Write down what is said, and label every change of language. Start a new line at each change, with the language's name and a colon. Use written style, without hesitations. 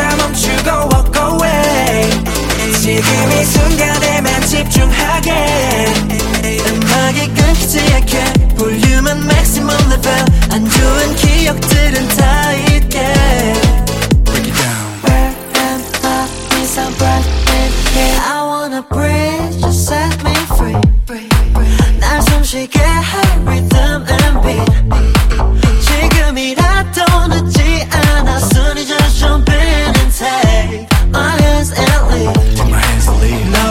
Korean: 가던 일은 다 멈추고
English: walk away.
Korean: 지금 이 순간에만 집중하게. 음악이 끊기지 않게 볼륨은
English: maximum level.
Korean: 안 좋은 기억들은 다 잊게.
English: Break it down. Where am I? Is I right in here? I wanna breathe, just set me free.
Korean: 날 숨 쉬게 할
English: rhythm and beat.
Korean: 지금이라도 늦지 않아 손이
English: just jump in and take my hands and leave.